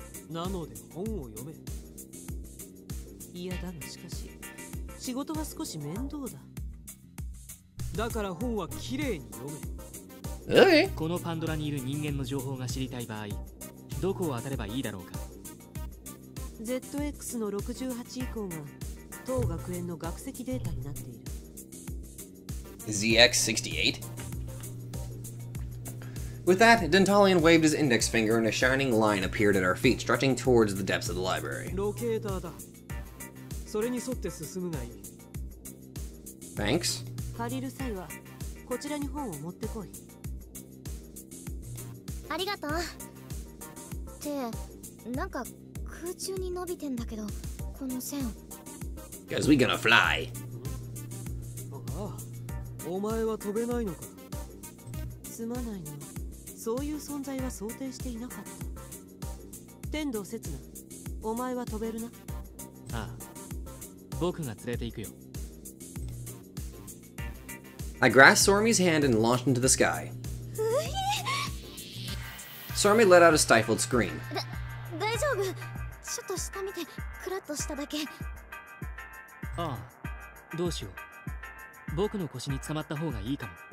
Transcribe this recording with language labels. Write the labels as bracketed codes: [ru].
[ja] なので本を読め。いやだがしかし仕事が少し面倒だ。だから本はきれいに読め。このパンドラにいる人間の情報が知りたい場合、どこを当たればいいだろうか。 ZX の68以降が当学園の学籍データになっている。 ZX68? [en] With that, Dantalian waved his index finger and a shining line appeared at our feet, stretching towards the depths of the library. [ja] Locator だ。それに沿って進むがいい。 [en] Thanks. [ja] 借りる際は、こちらに本を持ってこい。ありがとう。って、なんか空中に伸びてんだけど、この線。 [en] Cause we gonna fly. [ja] お前は飛べないのか。すまないな。そういう存在は想定していなかった。天道刹那、お前は飛べるな。ああ、僕が連れて行くよ。 [en] I grasped Sormi's hand and launched into the sky. Sormi let out a stifled scream. [ja] 大丈夫、ちょっと下見て、クラッとしただけ。ああ、どうしよう、僕の腰に捕まった方がいいかも。